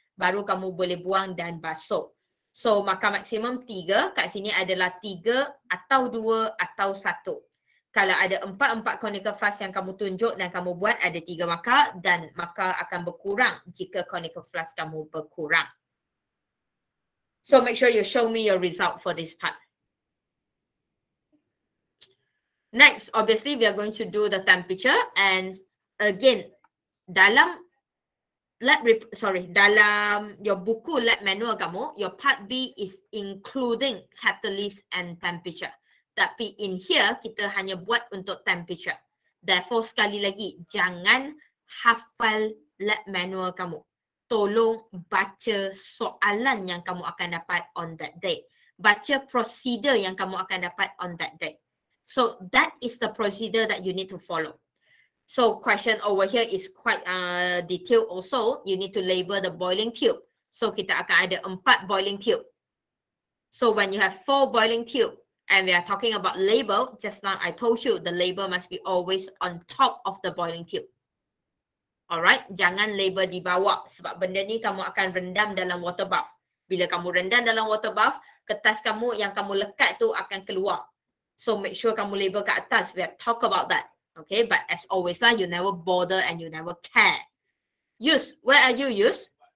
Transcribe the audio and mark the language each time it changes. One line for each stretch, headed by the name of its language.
Malay: Baru kamu boleh buang dan basuh. So, markah maksimum 3. Kat sini adalah 3 atau 2 atau 1. Kalau ada 4-4 conical flask yang kamu tunjuk dan kamu buat, ada 3 markah dan markah akan berkurang jika conical flask kamu berkurang.
English: So make sure you show me your result for this part. Next, obviously we are going to do the temperature, and again
Malay: dalam dalam
English: your buku lab manual kamu, your part B is including catalyst and temperature.
Malay: Tapi
English: in here
Malay: kita hanya buat untuk temperature.
English: Therefore
Malay: sekali lagi jangan hafal lab manual kamu. Tolong baca soalan yang kamu akan dapat
English: on that day.
Malay: Baca prosedur yang kamu akan dapat
English: on that day. So that is the prosedur that you need to follow. So question over here is quite detailed also. You need to label the boiling tube. So
Malay: kita akan ada
English: 4 boiling tube. So when you have 4 boiling tube and we are talking about label, just now I told you the label must be always on top of the boiling tube.
Malay: Alright, jangan label di bawah sebab benda ni kamu akan rendam dalam water bath. Bila kamu rendam dalam water bath, kertas kamu yang kamu lekat tu akan keluar.
English: So make sure
Malay: kamu label kat atas.
English: We have talked about that. Okay, but as always lah, you never bother and you never care. Yus, where are you, Yus?